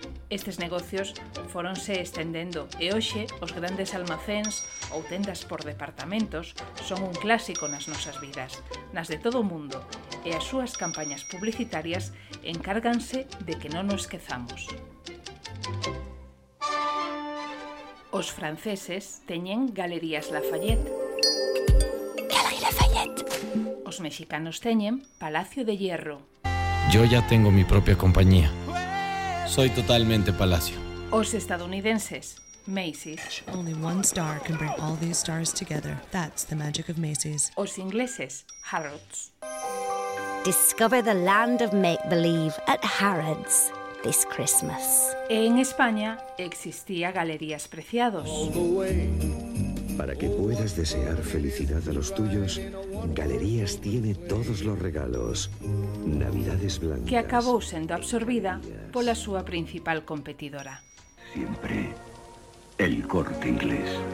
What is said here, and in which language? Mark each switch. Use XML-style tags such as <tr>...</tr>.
<gl>Estes negocios foronse estendendo e hoxe os grandes almacéns ou tendas por departamentos son un clásico nas nosas vidas, nas de todo o mundo, e as súas campañas publicitarias encárganse de que non nos esquezamos. Os franceses teñen Galerías Lafayette. Galerías Lafayette. Os mexicanos teñen Palacio de Hierro.</gl> <es>Yo ya tengo mi propia compañía. Soy totalmente Palacio.</es> <gl>Os estadounidenses, Macy's.</gl> <en>Only one star can bring all these stars together. That's the magic of Macy's.</en> <gl>Os ingleses, Harrods.</gl> <en>Discover the land of make-believe at Harrods this Christmas.</en> <gl>En España existía Galerías Preciados.</gl> <es>Para que puedas desear felicidad a los tuyos, Galerías tiene todos los regalos. Navidades blancas.</es> <gl>Que acabou sendo absorbida pola súa principal competidora.</gl> <es>Siempre el Corte Inglés.</es>